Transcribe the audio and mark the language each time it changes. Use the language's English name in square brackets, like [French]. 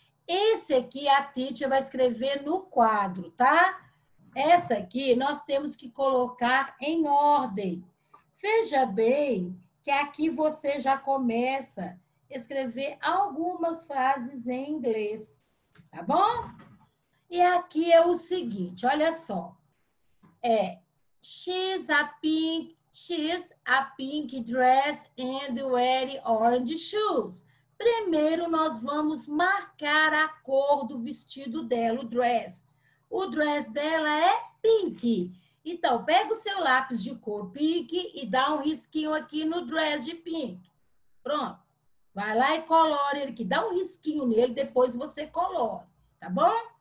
[Portuguese] Esse aqui a Titi vai escrever no quadro, tá? Essa aqui nós temos que colocar em ordem. Veja bem que aqui você já começa a escrever algumas frases em inglês, tá bom? E aqui é o seguinte, olha só. [English] É, she's a pink dress and wearing orange shoes. [Portuguese] Primeiro nós vamos marcar a cor do vestido dela, o dress. O dress dela é pink. Então, pega o seu lápis de cor pink e dá um risquinho aqui no dress de pink. Pronto. Vai lá e colore ele aqui. Dá um risquinho nele, depois você colore. Tá bom?